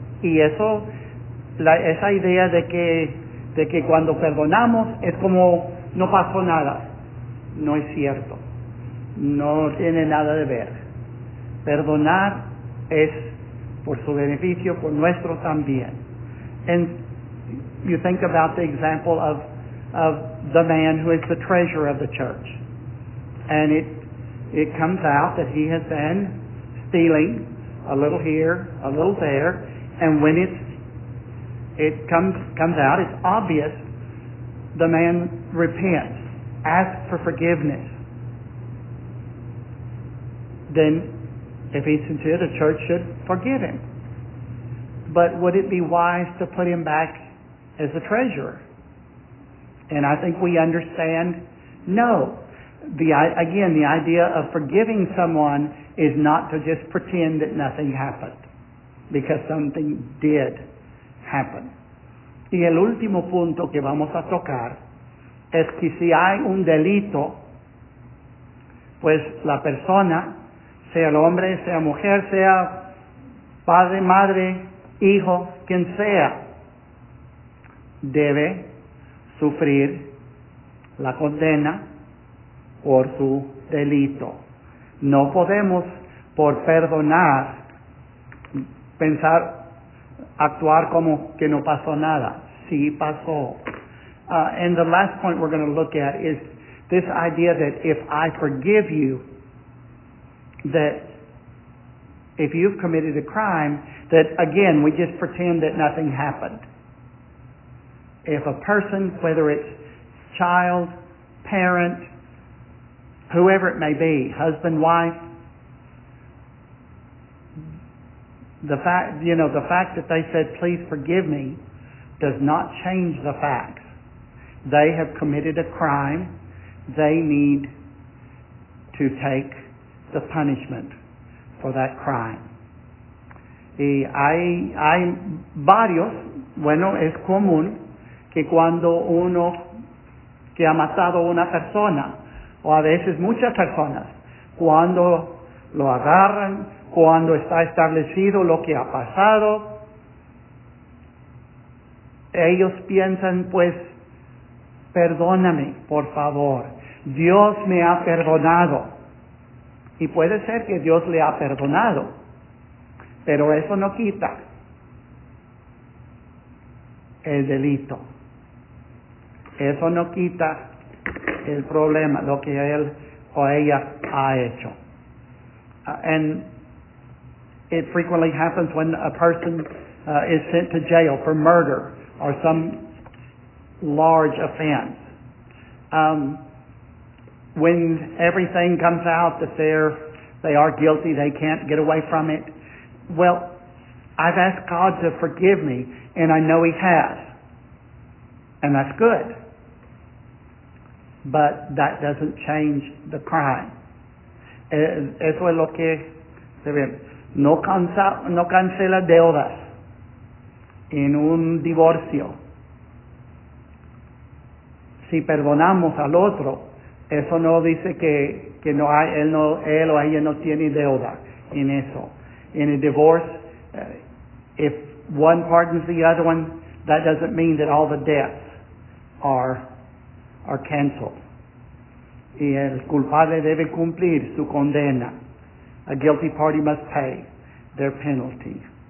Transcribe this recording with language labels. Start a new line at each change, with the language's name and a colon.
Spanish: Y eso, esa idea de que cuando perdonamos es como no pasó nada, no es cierto, no tiene nada de ver. Perdonar es por su beneficio, por nuestro también.
English: And you think about the example of the man who is the treasurer of the church, and it comes out that he has been stealing a little here, a little there, and when it comes out, it's obvious the man repents, asks for forgiveness. Then, if he's sincere, the church should forgive him. But would it be wise to put him back as a treasurer? And I think we understand, no. The idea of forgiving someone is not to just pretend that nothing happened, because something did happen.
Spanish: Y el último punto que vamos a tocar es que si hay un delito, pues la persona, sea el hombre, sea mujer, sea padre, madre, hijo, quien sea, debe sufrir la condena por su delito. No podemos, por perdonar, pensar, actuar como que no pasó nada. Sí pasó.
English: And the last point we're going to look at is this idea that if I forgive you, that if you've committed a crime, that again, we just pretend that nothing happened. If a person, whether it's child, parent, whoever it may be, husband, wife, the fact that they said, please forgive me, does not change the facts. They have committed a crime. They need to take the punishment for that crime.
Spanish: Y hay varios, bueno, es común que cuando uno que ha matado a una persona, o a veces muchas personas, cuando lo agarran, cuando está establecido lo que ha pasado, ellos piensan, pues, perdóname, por favor. Dios me ha perdonado. Y puede ser que Dios le ha perdonado, pero eso no quita el delito. Eso no quita el problema, lo que él o ella ha hecho.
English: And it frequently happens when a person is sent to jail for murder or some large offense. When everything comes out that they are guilty, they can't get away from it. Well, I've asked God to forgive me, and I know He has. And that's good. But that doesn't change the crime.
Spanish: Eso es lo que se ve. No cancela deudas en un divorcio. Si perdonamos al otro, eso no dice que no hay, él o ella no tiene deuda en eso.
English: In a divorce, if one pardons the other one, that doesn't mean that all the debts are canceled.
Spanish: Y el culpable debe cumplir su condena.
English: A guilty party must pay their penalty.